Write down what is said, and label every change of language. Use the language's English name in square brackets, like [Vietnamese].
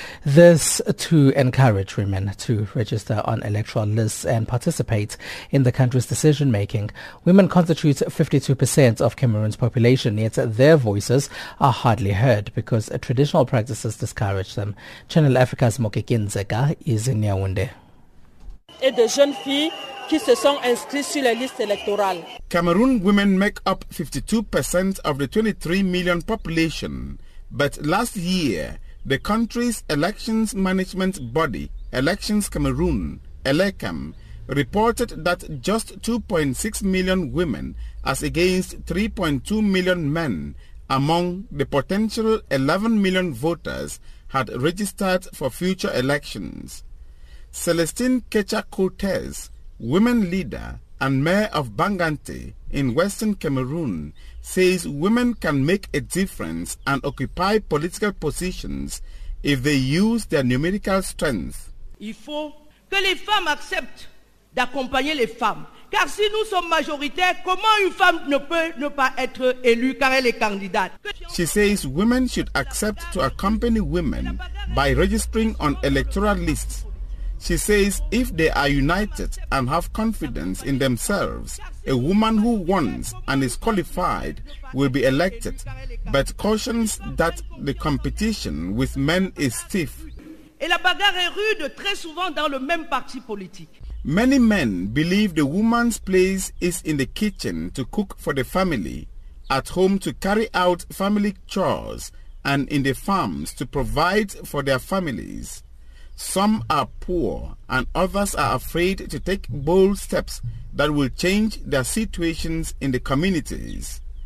[English] This to encourage women to register on electoral lists and participate in the country's decision making. Women constitute 52% of Cameroon's population, yet their voices are hardly heard because traditional practices discourage them. Channel Africa's Mokeke Nzeka is in Yaoundé. [French] Et de jeunes filles qui se sont inscrites sur les listes électorales. [English] Cameroon women make up 52% of the 23 million population. But last year, the country's elections management body, Elections Cameroon, ELECAM, reported that just 2.6 million women as against 3.2 million men among the potential 11 million voters had registered for future elections. Celestine Kecha-Cortez, women leader and mayor of Bangante in Western Cameroon, says women can make a difference and occupy political positions if they use their numerical strength. [French] Il faut que les femmes acceptent d'accompagner les femmes. Car si nous sommes majoritaires, comment une femme ne peut ne pas être élue car elle est candidate? [English] She says women should accept to accompany women by registering on electoral lists. She says if they are united and have confidence in themselves, a woman who wants and is qualified will be elected, but cautions that the competition with men is stiff. [French] Et la bagarre est rude très souvent dans le même parti politique. [English] Many men believe the woman's place is in the kitchen to cook for the family, at home to carry out family chores, and in the farms to provide for their families. Some are poor and others are afraid to take bold steps that will change their situations in the communities.